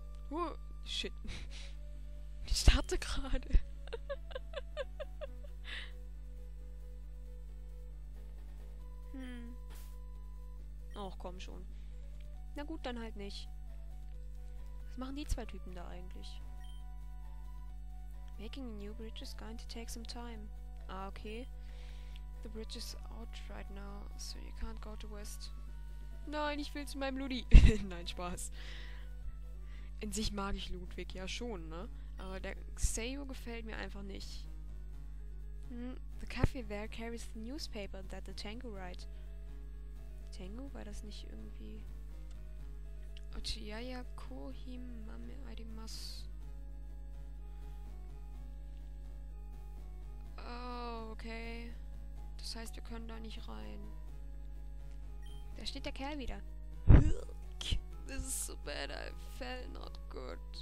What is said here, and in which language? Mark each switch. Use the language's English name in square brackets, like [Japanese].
[English] Oh, shit. [German] Ich starte gerade. Ach, komm schon. Na gut, dann halt nicht. Was machen die zwei Typen da eigentlich? [English] Making a new bridge is going to take some time. [German] Ah, okay. [English] The bridge is out right now, so you can't go to west. [German] Nein, ich will zu meinem Ludi. Nein, Spaß. In sich mag ich Ludwig ja schon, ne? Aber der Xeo gefällt mir einfach nicht. [English] Hm, the cafe there carries the newspaper that the Tango write. [German] Tango? War das nicht irgendwie... Ochiaya Kohimame Arimas. Oh, okay. Das heißt, wir können da nicht rein. Da steht der Kerl wieder. [English] This is so bad, I fell not good.